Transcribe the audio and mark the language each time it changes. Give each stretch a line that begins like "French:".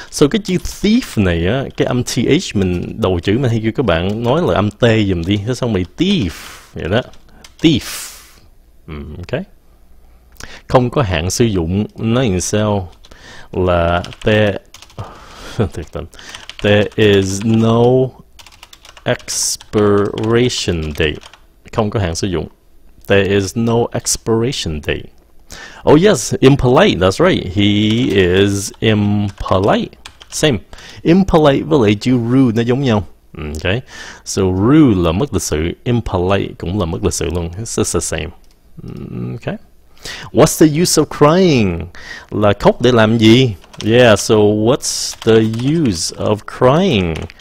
Vietnamese: Cái chữ thief này á, cái âm th mình đầu chữ mình hay kêu các bạn nói là âm t giùm đi, thế xong mày thief vậy đó. Thief. Ok. Không có hạn sử dụng, nó như sao là t t
English: is no expiration date.
Vietnamese: Không có hạn sử dụng.
English: There is no expiration date. Oh yes, impolite, that's right. He is impolite. Same.
Vietnamese: Impolite với lại chữ rude nó giống nhau. Okay. So rude là mất lịch sự, impolite cũng là mất lịch sự luôn.
English: It's just the same. Okay. What's the use of crying?
Vietnamese: Là khóc để làm gì? Yeah, so
English: what's the use of crying?